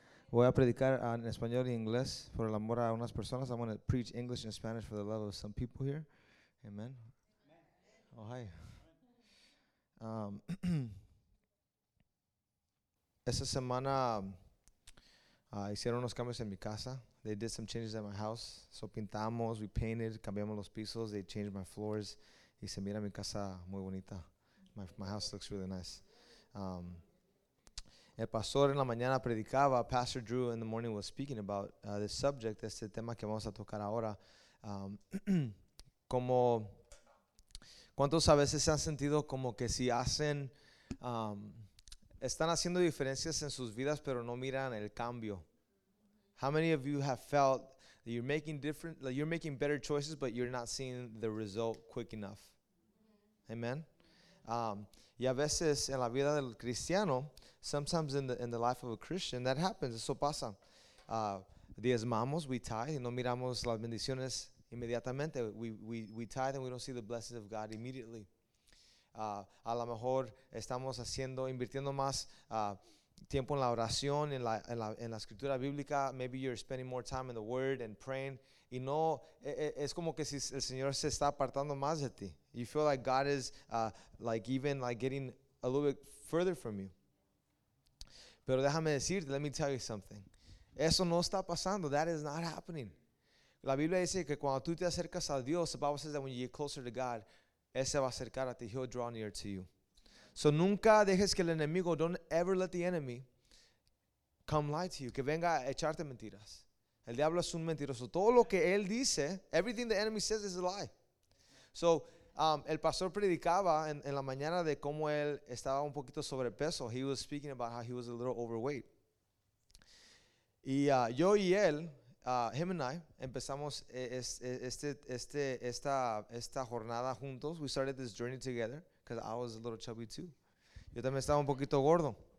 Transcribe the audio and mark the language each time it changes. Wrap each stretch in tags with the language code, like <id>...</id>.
<es>Voy a predicar en español y inglés por el amor a unas personas.</es> <en>I'm going to preach English and Spanish for the love of some people here. Amen. Oh, hi.</en> <es>esta semana hicieron unos cambios en mi casa.</es> <en>They did some changes at my house. So</en> <es>pintamos,</es> <en>we painted,</en> <es>cambiamos los pisos,</es> <en>they changed my floors.</en> <es>Y se mira mi casa muy bonita.</es> <en>My house looks really nice.</en> <es>El pastor en la mañana predicaba,</es> <en>Pastor Drew in the morning was speaking about this subject,</en> <es>este tema que vamos a tocar ahora. como, ¿cuántos a veces se han sentido como que si hacen, están haciendo diferencias en sus vidas, pero no miran el cambio?</es> <en>How many of you have felt that you're making different, like you're making better choices, but you're not seeing the result quick enough?</en> <es>Amen. Y a veces en la vida del cristiano,</es> <en>sometimes in the life of a Christian, that happens,</en> <es>eso pasa. Diezmamos,</es> <en>we tithe,</en> <es>y no miramos las bendiciones inmediatamente.</es> <en>We tithe and we don't see the blessings of God immediately.</en> <es>A lo mejor estamos haciendo, invirtiendo más tiempo en la oración, en la escritura bíblica.</es> <en>Maybe you're spending more time in the Word and praying.</en> <es>Y no, es como que si el Señor se está apartando más de ti.</es> <en>You feel like God is like even like getting a little bit further from you.</en> <es>Pero déjame decirte,</es> <en>let me tell you something.</en> <es>Eso no está pasando.</es> <en>That is not happening.</en> <es>La Biblia dice que cuando tú te acercas a Dios,</es> <en>the Bible says that when you get closer to God,</en> <es>Él se va a acercar a ti.</es> <en>He'll draw near to you.</en> <es>So nunca dejes que el enemigo,</es> <en>don't ever let the enemy come lie to you,</en> <es>que venga a echarte mentiras. El diablo es un mentiroso. Todo lo que él dice,</es> <en>everything the enemy says is a lie.</en> <es>So, el pastor predicaba en la mañana de cómo él estaba un poquito sobrepeso.</es> <en>He was speaking about how he was a little overweight.</en> <es>Y yo y él,</es> <en>him and I,</en> <es>empezamos esta jornada juntos.</es> <en>We started this journey together because I was a little chubby too.</en> <es>Yo también estaba un poquito gordo.</es>